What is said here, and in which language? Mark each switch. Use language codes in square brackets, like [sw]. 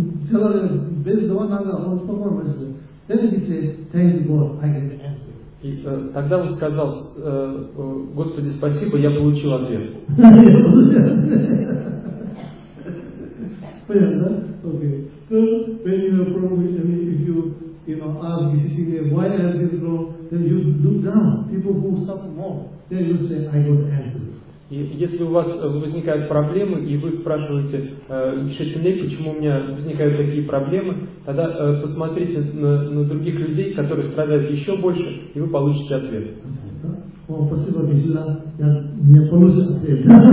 [ru] Человек без два нога, он спокойно молится. [en] Then he said, thank you, God, I can answer. [ru] И тогда он сказал, Господи, спасибо, я получил ответ. Понятно, да? [en] Okay. So, when you have problems, if you, you know, ask Cecilia, why I have this problem, then you look down, people who suffer more, then you say, I don't answer. [ru] И если у вас возникают проблемы, и вы спрашиваете, почему у меня возникают такие проблемы, тогда посмотрите на других людей, которые страдают еще больше, и вы получите ответ. О, спасибо, Кисила, я получу ответ.